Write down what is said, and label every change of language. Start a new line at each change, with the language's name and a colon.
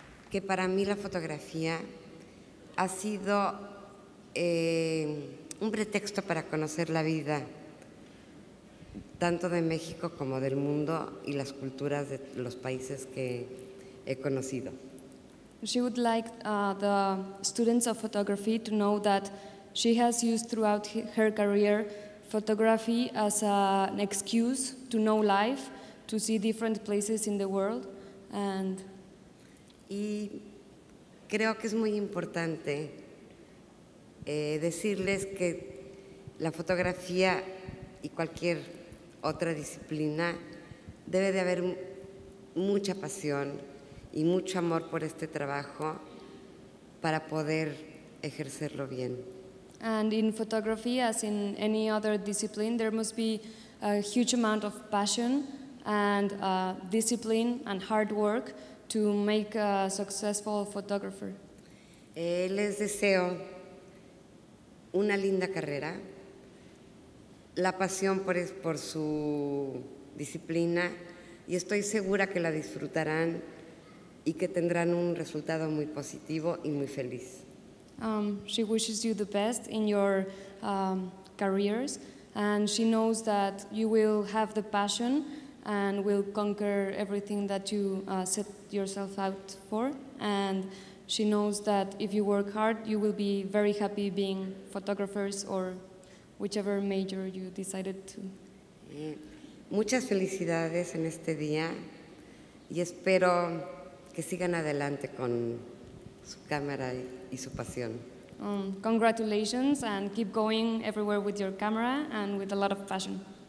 Spanish: Que para mí la fotografía ha sido un pretexto para conocer la vida, tanto de México como del mundo y las culturas de los países que he conocido.
English: She would like the students of photography to know that she has used throughout her career photography as an excuse to know life, to see different places in the world, and
Spanish: y creo que es muy importante decirles que la fotografía y cualquier otra disciplina debe de haber mucha pasión y mucho amor por este trabajo para poder ejercerlo bien.
English: And in photography, as in any other discipline, there must be a huge amount of passion and discipline and hard work to make a successful photographer.
Spanish: Les deseo una linda carrera, la pasión por su disciplina, y estoy segura que la disfrutarán y que tendrán un resultado muy positivo y muy feliz.
English: She wishes you the best in your careers, and she knows that you will have the passion and will conquer everything that you set yourself out for, and she knows that if you work hard, you will be very happy being photographers or whichever major you decided to.
Spanish: Muchas felicidades en este día, y espero que sigan adelante con su cámara y su pasión.
English: Congratulations, and keep going everywhere with your camera and with a lot of passion.